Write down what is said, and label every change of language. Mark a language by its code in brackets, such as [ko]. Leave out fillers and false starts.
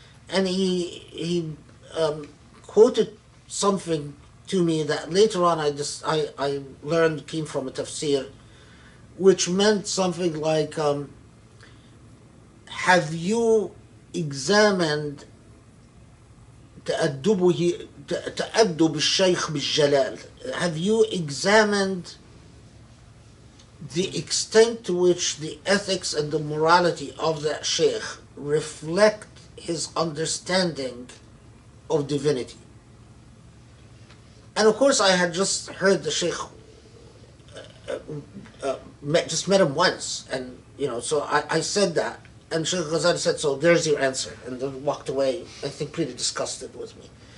[en] And he quoted something to me that later on I learned came from a tafsir, which meant something like, have you examined [ar] تأدبه تأدب الشيخ بالجلال. [en] Have you examined the extent to which the ethics and the morality of that sheikh reflect his understanding of divinity? And of course, I had just heard the sheikh, met him once, and you know, so I said that, and Sheikh Ghazali said, "So there's your answer," and then walked away, I think pretty disgusted with me.